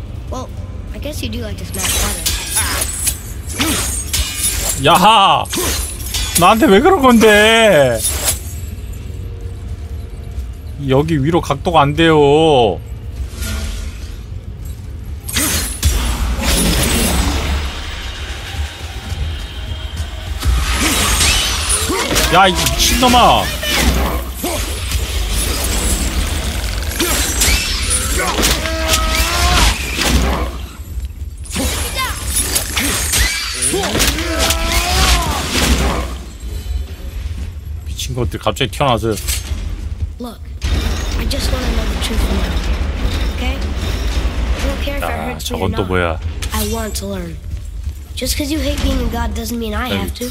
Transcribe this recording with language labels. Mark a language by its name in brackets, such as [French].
[English] Well, I guess you do like to smell water. [Korean] 야하, 나한테 왜 그런 건데? 여기 위로 각도가 안 돼요. 야 이 미친놈아. 미친 것들 갑자기 튀어나와서. [English] Look, I just want to know the truth from you. Okay? I don't care if I hurt you or not. [Korean] 뭐야? [English] I want to learn. Just because you hate being a god doesn't mean I have to.